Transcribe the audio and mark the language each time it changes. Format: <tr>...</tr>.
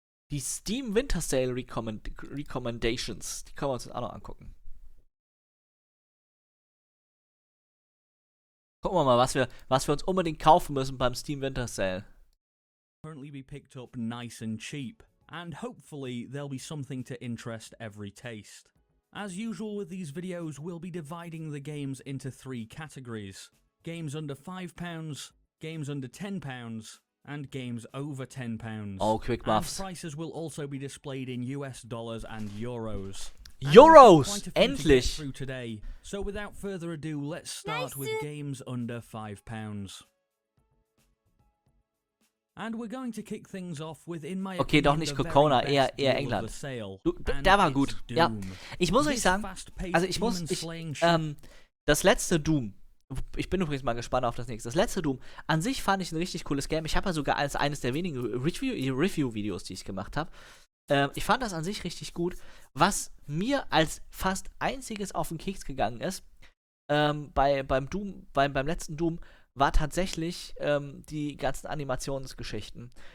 <de>Die Steam Winter Sale Recommendations, die können wir uns jetzt auch noch angucken. Gucken wir mal, was wir uns unbedingt kaufen müssen beim Steam Winter Sale.</de> <en>Currently be picked up nice and cheap, and hopefully there'll be something to interest every taste. As usual with these videos, we'll be dividing the games into three categories. Games under £5, games under £10, and games over £10. Oh, quick maths. And prices will also be displayed in US dollars and euros.</en> <de>Euros! Endlich!</de> <en>Through today. So without further ado, let's start with games under £5. And we're going to kick things off with In My</en> <de>Okay, doch nicht Kokona, eher England. Der war gut. Ja. Ich muss euch sagen, also das letzte Doom. Ich bin übrigens mal gespannt auf das nächste. Das letzte Doom, an sich fand ich ein richtig cooles Game. Ich habe ja sogar als eines der wenigen Review-Videos, die ich gemacht habe. Ich fand das an sich richtig gut. Was mir als fast einziges auf den Keks gegangen ist, beim letzten Doom, war tatsächlich die ganzen Animationsgeschichten.</de>